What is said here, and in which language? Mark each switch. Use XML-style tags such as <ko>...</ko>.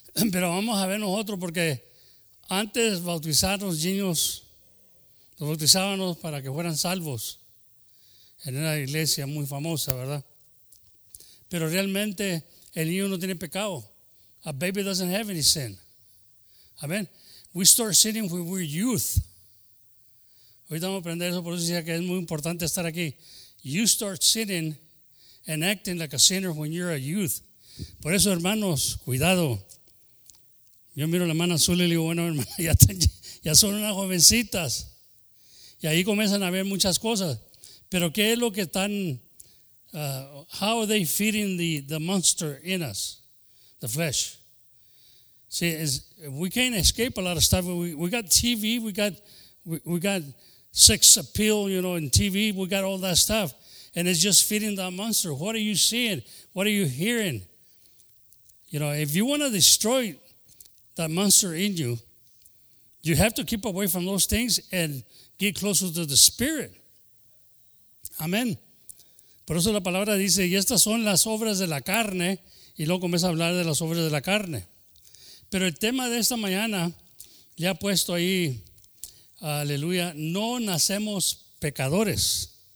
<es>Pero vamos a ver nosotros, porque antes bautizar los niños, los bautizábamos para que fueran salvos en una iglesia muy famosa, ¿verdad? Pero realmente el niño no tiene pecado.</es> <en>A baby doesn't have any sin.</en> <es>Amen.</es> <en>We start sinning when we're youth.</en> <es>Ahorita vamos a aprender eso, por eso decía que es muy importante estar aquí.</es> <en>You start sinning and acting like a sinner when you're a youth.</en> <es>Por eso, hermanos, cuidado. Yo miro a la hermana azul y le digo, bueno, hermana, ya son unas jovencitas. Y ahí comienzan a ver muchas cosas. Pero ¿qué es lo que están,</es> <en>how are they feeding the monster in us, the flesh? See, we can't escape a lot of stuff. We got TV, we got sex appeal, you know, in TV, we got all that stuff. And it's just feeding that monster. What are you seeing? What are you hearing? You know, if you want to destroy that monster in you, you have to keep away from those things and get closer to the Spirit. Amen.</en> <es>Por eso la palabra dice, y estas son las obras de la carne, y luego comienza a hablar de las obras de la carne. Pero el tema de esta mañana, ya he puesto ahí, aleluya, no nacemos pecadores.</es>